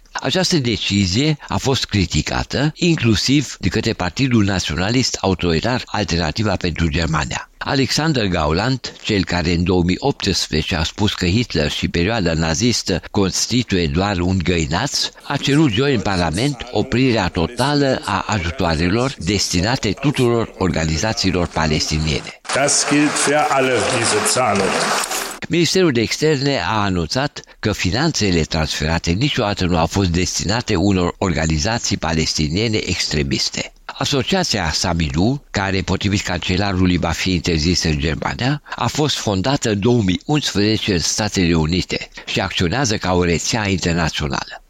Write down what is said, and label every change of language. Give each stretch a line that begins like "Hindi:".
Romanian: Această decizie a fost criticată inclusiv de către Partidul Naționalist Autoritar Alternativa pentru Germania. Alexander Gauland, cel care în 2018 a spus că Hitler și perioada nazistă constituie doar un găinaț, a cerut joi în Parlament oprirea totală a ajutoarelor destinate tuturor organizațiilor palestiniene.
German: Das gilt für alle diese Zahlen.
Romanian: Ministerul de Externe a anunțat că finanțele transferate niciodată nu au fost destinate unor organizații palestiniene extremiste. Asociația Samidu, care potrivit cancelarului va fi interzisă în Germania, a fost fondată în 2011 în Statele Unite și acționează ca o rețea internațională.